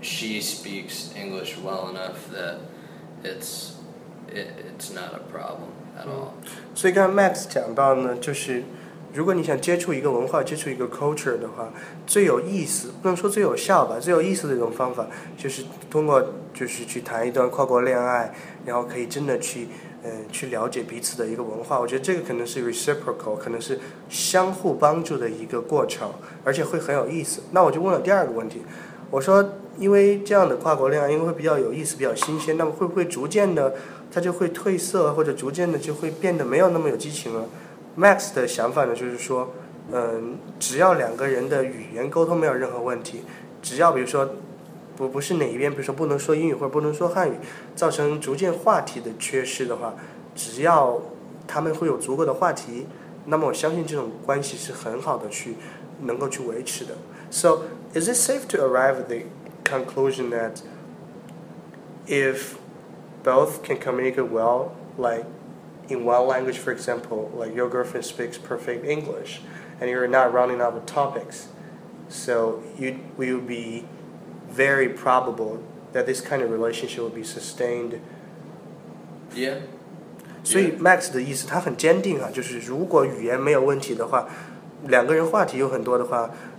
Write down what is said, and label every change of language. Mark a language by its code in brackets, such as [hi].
[en] she speaks English well enough that it's not a problem at all. [zh] 所以刚才 Max 讲到呢，就是如果你想接触一个文化，接触一个 culture 的话，最有意思，不能说最有效吧，最有意思的一种方法就是通过就是去谈一段跨国恋爱，然后可以真的去了解彼此的一个文化。我觉得这个可能是 reciprocal， 可能是相互帮助的一个过程，而且会很有意思。那我就问了第二个问题，我说因为这样的跨国恋爱因为会比较有意思，比较新鲜，那么会不会逐渐的它就会褪色，或者逐渐的就会变得没有那么有激情了？ Max 的想法呢，就是说只要两个人的语言沟通没有任何问题，只要比如说不是哪一边，比如说不能说英语或者不能说汉语，造成逐渐话题的缺失的话，只要他们会有足够的话题，那么我相信这种关系是很好的去能够去维持的。 [en] So is it safe to arrive at the conclusion that if both can communicate well, like in one language, for example, like your girlfriend speaks perfect English and you're not running out of topics, so you will beVery probable that this kind of relationship will be sustained. Yeah. [zh] 所以 Max 的意思他很坚定啊，就是如果语言没有问题的话，两个人话题有很多的话，